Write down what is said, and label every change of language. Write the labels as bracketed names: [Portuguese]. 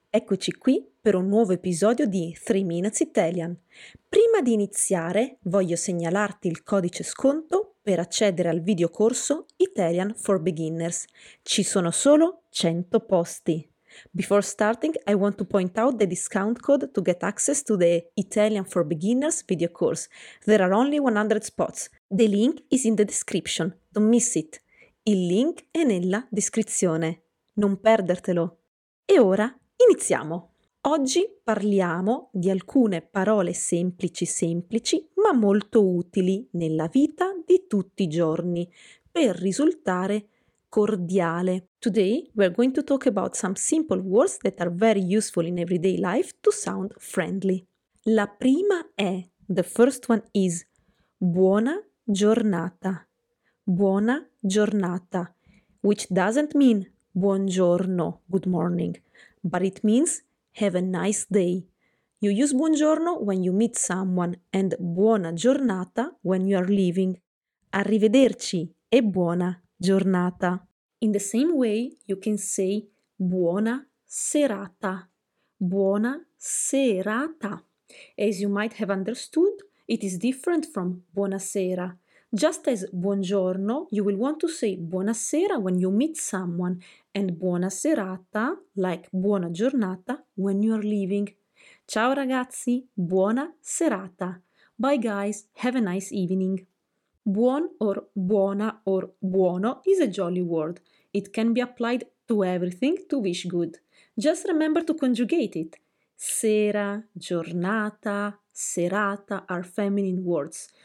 [Italian] Eccoci qui per un nuovo episodio di 3 Minutes Italian. Prima di iniziare, voglio segnalarti il codice sconto per accedere al videocorso Italian for Beginners. Ci sono solo 100 posti. [English] Before starting, I want to point out the discount code to get access to the Italian for Beginners video course. There are only 100 spots. The link is in the description. Don't miss it. [Italian] Il link è nella descrizione. Non perdertelo! E ora iniziamo! Oggi parliamo di alcune parole semplici ma molto utili nella vita di tutti i giorni per risultare cordiale. [English] Today we're going to talk about some simple words that are very useful in everyday life to sound friendly. [Italian] La prima è, [English] the first one is, [Italian] buona giornata. [English] Buona giornata, which doesn't mean buongiorno, good morning, but it means have a nice day. You use buongiorno when you meet someone and buona giornata when you are leaving. [Italian] Arrivederci e buona giornata. [English] In the same way, you can say buona serata. [Italian] Buona serata. [English] As you might have understood, it is different from buonasera. Just as buongiorno, you will want to say buonasera when you meet someone and buona serata, like buona giornata, when you are leaving. [Italian] Ciao ragazzi, buona serata. [English] Bye guys, have a nice evening. Buon or buona or buono is a jolly word. It can be applied to everything to wish good. Just remember to conjugate it. Sera, giornata, serata are feminine words.